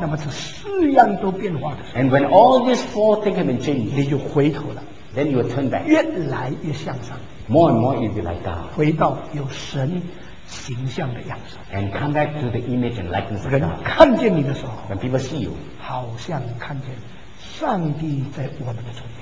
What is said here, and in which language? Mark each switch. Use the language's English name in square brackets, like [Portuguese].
[Chinese] 那么这四样都变化的时候。 [English] And when all these four things have been changed, [Chinese] 你就回头了。 [English] Then you will turn back. [Chinese] 越来越向上。 [English] More and more you will be like God. [Chinese] 回到有神形象的样子。 [English] And come back to the image and likeness of God. [Chinese] 看见你的时候。 [English] When people see you. [Chinese] 好像看见上帝在我们的中间。